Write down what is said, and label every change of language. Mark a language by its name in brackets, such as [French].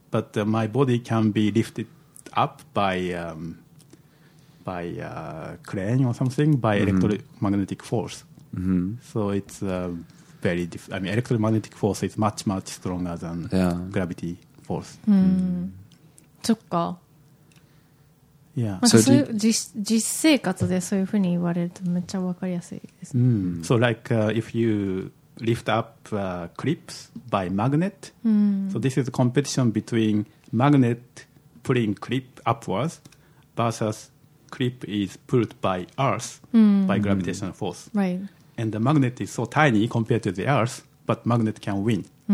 [English] But my body can be lifted up by... by a crane or something, by electromagnetic force. Mm-hmm. So it's very different. I mean, electromagnetic force is much, much stronger than gravity force. Mm. Mm. そっか。 Yeah. So [Japanese] そういう実生活でそういうふうに言われるとめっちゃ分かりやすいです。 Mm. [English] So like if you lift up clips by magnet, so this is a competition between magnet pulling clip upwards versus... clip is pulled by Earth by gravitational force. Right. And the magnet is so tiny compared to the Earth, but magnet can win.